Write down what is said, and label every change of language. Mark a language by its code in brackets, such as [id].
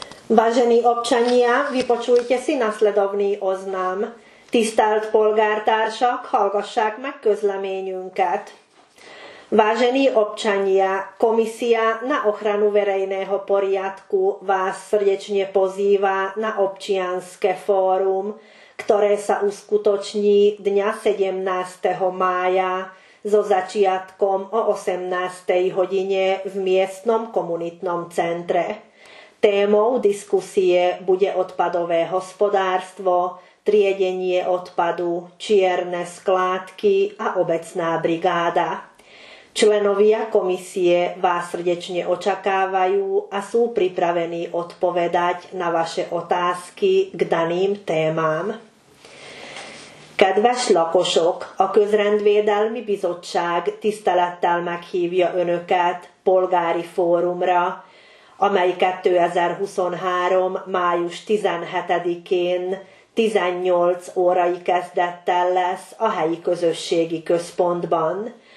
[sk] Vážení občania, vypočujte si nasledovný oznám. [hu] Tisztelt polgártársak, hallgassák meg közleményünket. [sk] Vážení občania, komisia na ochranu verejného poriadku vás srdečne pozýva na občianske fórum, ktoré sa uskutoční dňa 17. mája so začiatkom o 18. hodine v miestnom komunitnom centre. Témou diskusie bude odpadové hospodárstvo, triedenie odpadu, čierne skládky a obecná brigáda. Členovia komisie vás srdečne očakávajú a sú pripravení odpovedať na vaše otázky k daným témám. [hu] Kedves lakosok, a Közrendvédelmi Bizottság tisztelettel meghívja önöket polgári fórumra, amely 2023. május 17-én 18 órai kezdettel lesz a helyi közösségi központban.